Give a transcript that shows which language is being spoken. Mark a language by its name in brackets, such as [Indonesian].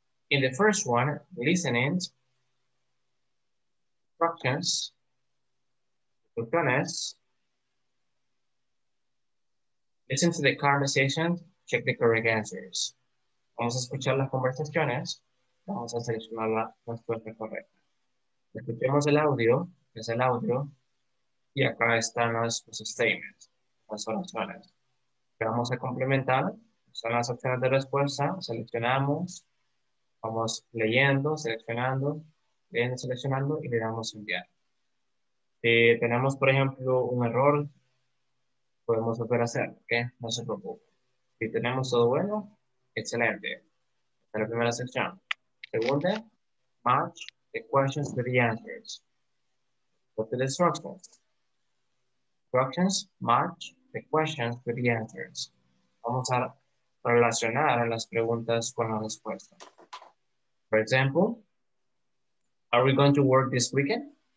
[English] In the first one, listening, instructions, instructions, listen to the conversation, check the correct answers. [Spanish] Vamos a escuchar las conversaciones, vamos a seleccionar la respuesta correcta. Escuchemos el audio, que es el audio, y acá están los statements, las oraciones. Vamos a complementar, son las opciones de respuesta, seleccionamos, vamos leyendo, seleccionando, leyendo, seleccionando, y le damos enviar. Si tenemos, por ejemplo, un error, podemos volver a hacer, ¿ok? No se preocupe. Si tenemos todo bueno, excelente. Esta es la primera sección. Segunda, match. [English] The questions with the answers. Go to the instructions. Instructions, match the questions with the answers. [Spanish] Vamos a relacionar las preguntas con la respuesta. [English] For example, are we going to work this weekend?